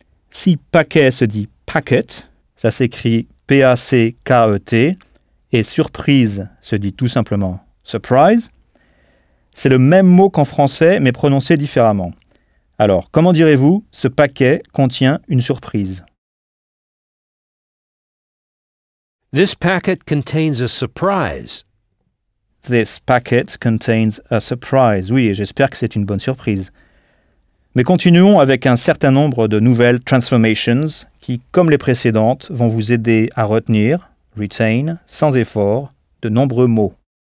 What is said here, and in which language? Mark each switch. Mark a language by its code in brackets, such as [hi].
[fr] Si paquet se dit packet, ça s'écrit P-A-C-K-E-T, et surprise se dit tout simplement surprise, c'est le même mot qu'en français, mais prononcé différemment. Alors, comment direz-vous, ce paquet contient une surprise ? [en] This packet contains a surprise. This packet contains a surprise. [fr] Oui, j'espère que c'est une bonne surprise. Mais continuons avec un certain nombre de nouvelles transformations qui, comme les précédentes, vont vous aider à retenir, retain, sans effort, de nombreux mots.